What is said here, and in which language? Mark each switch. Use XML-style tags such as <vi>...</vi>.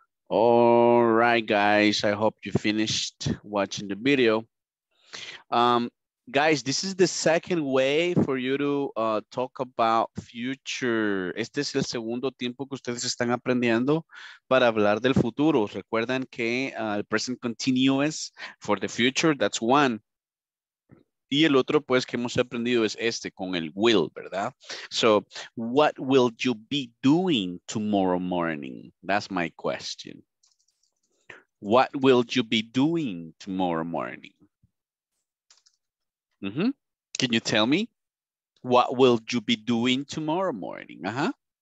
<en>All right, guys, I hope you finished watching the video. Guys, this is the second way for you to talk about future.</en> <es>Este es el segundo tiempo que ustedes están aprendiendo para hablar del futuro. Recuerden que el</es> <en>present continuous for the future, that's one.</en> <es>Y el otro, pues, que hemos aprendido es este con el will, ¿verdad?</es> <en>So, what will you be doing tomorrow morning? That's my question. What will you be doing tomorrow morning? Mm-hmm. Can you tell me? What will you be doing tomorrow morning? Uh-huh.</en>